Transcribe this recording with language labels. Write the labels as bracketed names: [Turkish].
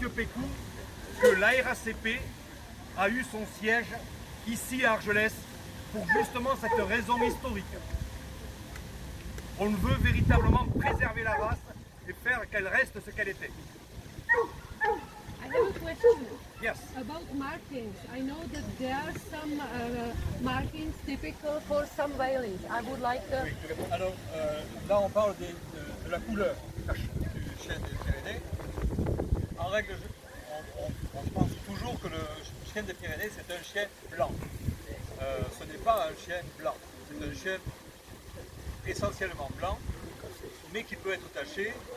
[French] Pécou que l'ARACP a eu son siège ici à Argelès, pour justement cette raison historique. On veut véritablement préserver la race, et faire qu'elle reste ce qu'elle était. [English] I have a question. Yes. About markings. I know that there are some markings typical for some whalings. I would like to... [French] Oui. Alors, là on parle de la couleur du chien des Pyrénées. En règle, on pense toujours que le chien des Pyrénées, c'est un chien blanc. Ce n'est pas un chien blanc. C'est un chien essentiellement blanc, mais qui peut être taché.